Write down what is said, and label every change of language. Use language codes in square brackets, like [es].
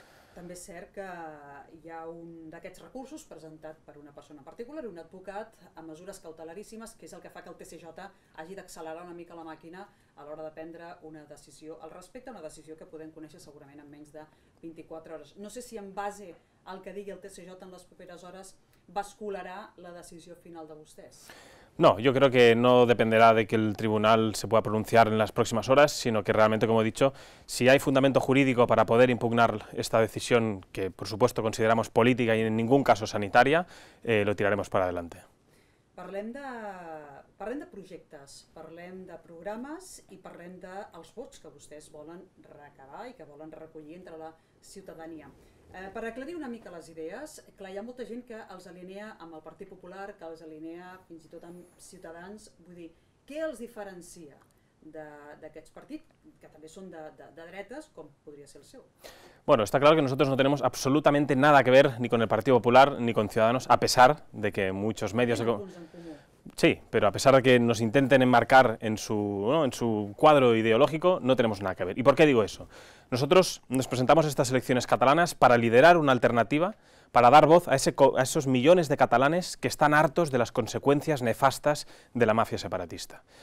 [ca] També és cert que hi ha un d'aquests recursos presentat per una persona en particular, un advocat, amb mesures cautelaríssimes, que és el que fa que el TSJ hagi d'accelerar una mica la màquina a l'hora de prendre una decisió al respecte, una decisió que podem conèixer segurament en menys de 24 hores. No sé si en base al que digui el TSJ en les properes hores bascularà la decisió final de vostès. [es] No, yo creo que no dependerá de que el tribunal se pueda pronunciar en las próximas horas, sino que realmente, como he dicho, si hay fundamento jurídico para poder impugnar esta decisión, que por supuesto consideramos política y en ningún caso sanitaria, lo tiraremos para adelante. [ca] Parlem de projectes, parlem de programes i parlem dels vots que vostès volen recabar i que volen recollir entre la ciutadania. Per aclarir una mica les idees, clar, hi ha molta gent que els alinea amb el Partit Popular, que els alinea fins i tot amb Ciutadans. Vull dir, què els diferencia d'aquests partits, que també són de dretes, com podria ser el seu? [es] Bueno, está claro que nosotros no tenemos absolutamente nada que ver ni con el Partido Popular ni con Ciudadanos, a pesar de que muchos medios... Tienen algunos en común. Sí, pero a pesar de que nos intenten enmarcar en su, ¿no?, en su cuadro ideológico, no tenemos nada que ver. ¿Y por qué digo eso? Nosotros nos presentamos a estas elecciones catalanas para liderar una alternativa, para dar voz a esos millones de catalanes que están hartos de las consecuencias nefastas de la mafia separatista.